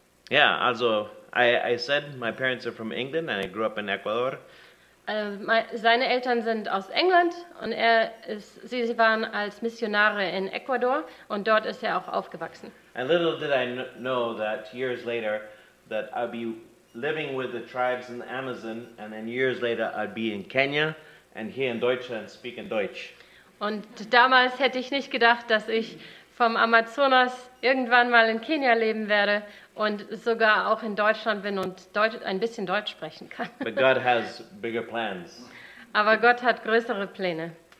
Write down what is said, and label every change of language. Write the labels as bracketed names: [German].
[English] Ja, also, I said my parents are from England and I grew up in Ecuador. [German] Seine Eltern sind aus England und sie waren als Missionare in Ecuador und dort ist er auch aufgewachsen. [English] And little did I know that years later that I'd be living with the tribes in the Amazon and then years later I'd be in Kenya. And here in Deutschland speak in Deutsch. [German] Und damals hätte ich nicht gedacht, dass ich vom Amazonas irgendwann mal in Kenia leben werde und sogar auch in Deutschland bin und Deutsch, ein bisschen Deutsch sprechen kann. [English] But God has bigger plans. [German] Aber Gott hat größere Pläne.